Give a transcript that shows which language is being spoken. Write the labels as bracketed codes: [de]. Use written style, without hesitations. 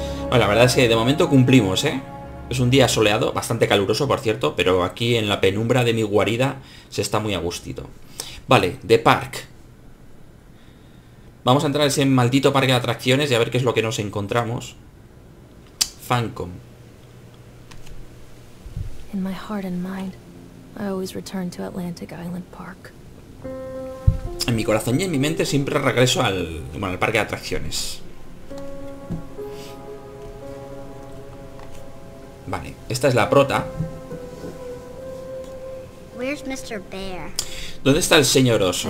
[es] Bueno, la verdad es que de momento cumplimos, ¿eh? Es un día soleado, bastante caluroso, por cierto, pero aquí en la penumbra de mi guarida se está muy a gustito. Vale, The Park. Vamos a entrar a ese maldito parque de atracciones y a ver qué es lo que nos encontramos. Funcom. [en] In my heart and mind, I always return to Atlantic Island Park. [es] En mi corazón y en mi mente siempre regreso al, bueno, al parque de atracciones. Vale, esta es la prota. [en] Where's Mr. Bear? [es] ¿Dónde está el señor oso?